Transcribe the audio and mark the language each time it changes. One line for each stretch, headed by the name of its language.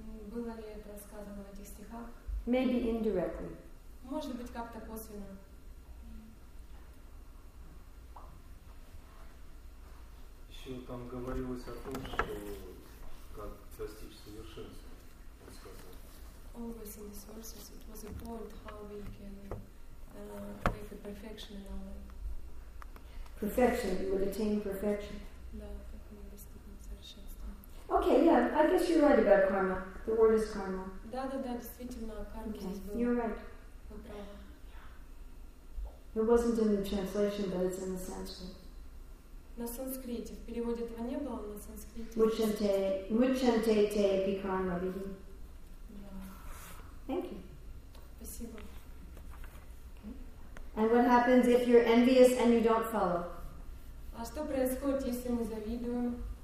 Russian: Было ли это сказано в этих стихах?
English: Maybe indirectly.
Russian: Может быть, как-то косвенно. Еще там говорилось о том, что как достичь совершенства. Он сказал.
English: Always in the sources it was important how we can make a perfection in our life. Perfection, you would attain perfection.
Russian: Да, как мы достигнем совершенства.
English: Okay, yeah, I guess you're right about karma. The word is karma.
Russian: Да, действительно, карма.
English: You're right. It wasn't in the translation, but it's in the Sanskrit.
Russian: На санскрите. В переводе этого не было, но на санскрите. Вучанте те пи карма вихи.
English: Thank you.
Russian: Спасибо.
English: And what happens if you're envious and you don't follow?
Russian: А что происходит, если мы завидуем?